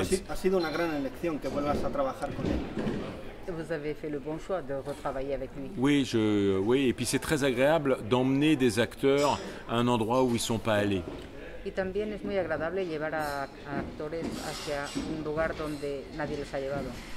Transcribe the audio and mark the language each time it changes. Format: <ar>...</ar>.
<es>Ha sido una gran elección que vuelvas a trabajar con él.</es> <fr>Vous avez fait le bon choix de retravailler avec lui. Oui, et puis c'est très agréable d'emmener des acteurs à un endroit où ils ne sont pas allés.</fr> <es>Y también es muy agradable llevar a actores hacia un lugar donde nadie les ha llevado.</es>